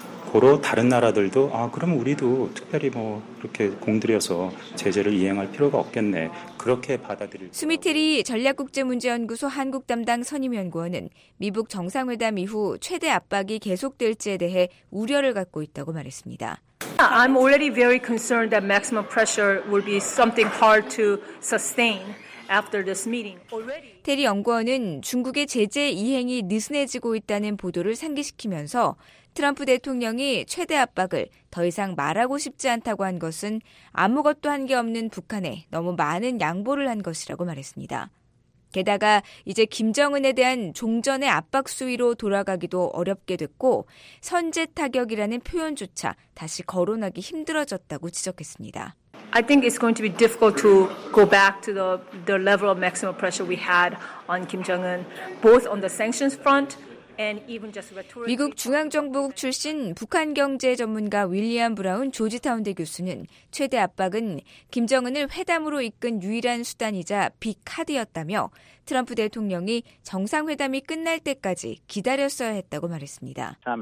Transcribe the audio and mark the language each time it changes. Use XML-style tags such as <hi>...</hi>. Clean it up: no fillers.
<ko>고로 다른 나라들도 아 그럼 우리도 특별히 뭐 이렇게 공들여서 제재를 이행할 필요가 없겠네. 그렇게 받아들일. 수미트리 전략국제문제연구소 한국담당 선임연구원은 미북 정상회담 이후 최대 압박이 계속될지에 대해 우려를 갖고 있다고 말했습니다.</ko> <en>I'm already very concerned that maximum pressure will be something hard to sustain. After this meeting, already.</en> <ko>테리 연구원은 중국의 제재 이행이 느슨해지고 있다는 보도를 상기시키면서 트럼프 대통령이 최대 압박을 더 이상 말하고 싶지 않다고 한 것은 아무것도 한 게 없는 북한에 너무 많은 양보를 한 것이라고 말했습니다. 게다가 이제 김정은에 대한 종전의 압박 수위로 돌아가기도 어렵게 됐고 선제 타격이라는 표현조차 다시 거론하기 힘들어졌다고 지적했습니다.</ko> <en>I think it's going to be difficult to go back to the level of maximum pressure we had on Kim Jong-un, both on the sanctions front and even just rhetorically.</en> <ko>미국 중앙정보국 출신 북한 경제 전문가 윌리엄 브라운 조지타운대 교수는 최대 압박은 김정은을 회담으로 이끈 유일한 수단이자 빅카드였다며 트럼프 대통령이 정상회담이 끝날 때까지 기다렸어야 했다고 말했습니다.</ko>